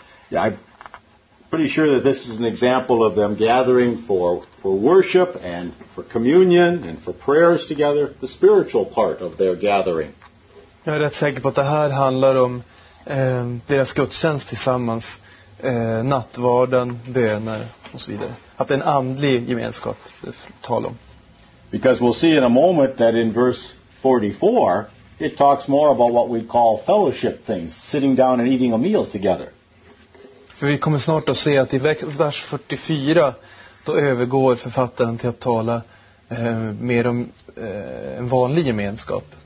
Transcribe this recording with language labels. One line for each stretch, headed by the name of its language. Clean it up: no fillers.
English: Yeah, I'm pretty sure that this is an example of them gathering for worship and for communion and for prayers together, the spiritual part of their gathering.
Swedish: Jag är rätt säker på att det här handlar om deras gudstjänst tillsammans, nattvarden, böner och så vidare. Att en andlig gemenskap talar om.
English: Because we'll see in a moment that in verse 44 it talks more about what we call fellowship things, sitting down and eating a meal together.
Swedish: För vi kommer snart att se att i vers 44 då övergår författaren till att tala mer om en vanlig gemenskap.